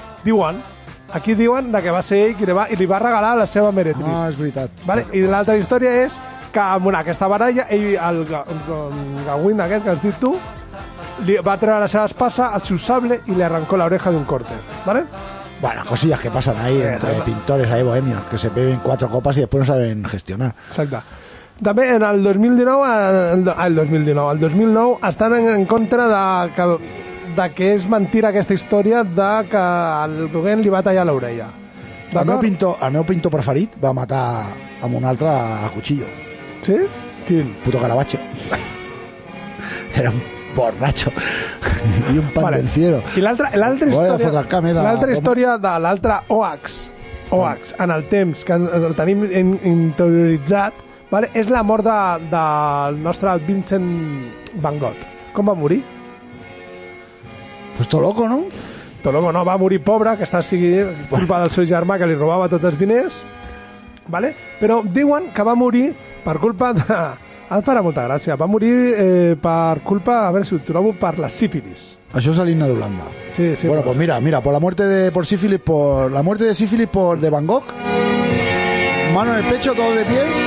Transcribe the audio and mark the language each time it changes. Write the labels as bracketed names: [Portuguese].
[Catalan] Diuen. Aquí diuen que va ser ell qui li va regalar la seva meretriz. Ah, és veritat. Vale? I l'altra història és que amb aquesta baralla, ell, el Gauguin aquest que has dit tu, li va treure la seva espasa, el seu sable, i li arrencó l'oreja d'un corte. Vale? [Spanish] Bueno, cosillas que pasan ahí entre pintores ahí bohemios, que se beben cuatro copas y después no saben gestionar. [Catalan] Exacte. També en el 2009 estan en contra de que és mentira aquesta història de que el Gauguin li va tallar l'orella. El meu pintor preferit va matar amb un altre a cuchillo. Sí? Quin? Puto Caravaggio. [Spanish] Era un borracho i un pendenciero. [Catalan] Vale. I l'altra història, de l'altra Oax, en el temps, que el tenim interioritzat, vale, és la mort del nostre Vincent Van Gogh. Com va morir? [Spanish] Pues todo loco, ¿no? Todo loco, [Catalan] no, va morir pobre, que està sigui culpa del seu germà, que li robava tots els diners, vale? Però diuen que va morir per culpa de... Et farà molta gràcia. Va morir per culpa, a veure si ho trobo, per la sífilis. Això és l'himne d'Holanda. Sí, sí. [Spanish] Bueno, pues mira, la muerte de sífilis por de Van Gogh. Mano en el pecho, todo de pie.